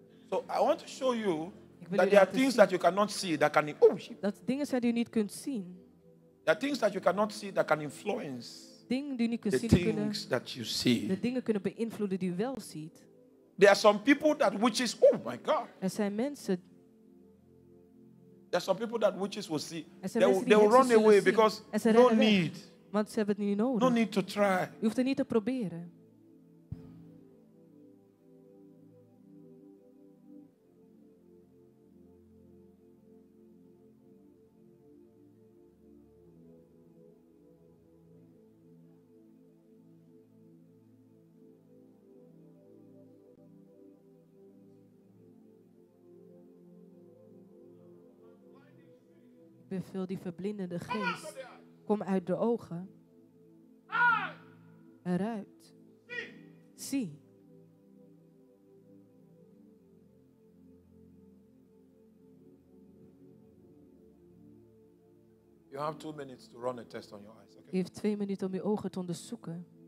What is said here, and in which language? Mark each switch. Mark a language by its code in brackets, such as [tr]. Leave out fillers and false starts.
[en] So I want to show you that there are things that you cannot see that can. Oh. [nl] Dat dingen zijn die u niet kunt zien. [en] There are things that you cannot see that can influence. [nl] Dingen die u niet kunt zien. [en] The things that you see. [nl] De dingen kunnen beïnvloeden die u wel ziet. [en] There are some people that witches. Oh my God! [nl] Er zijn mensen. [en] There are some people that witches will see. They will run away because no need. [nl] Want ze hebben het niet nodig. [en] No need to try. [nl] Je hoeft het niet te proberen. Vul die verblindende geest. Kom uit de ogen. Eruit. Zie. [en] You have 2 minutes to run a test on your eyes. Okay? [nl] Je hebt 2 minuten om je ogen te onderzoeken.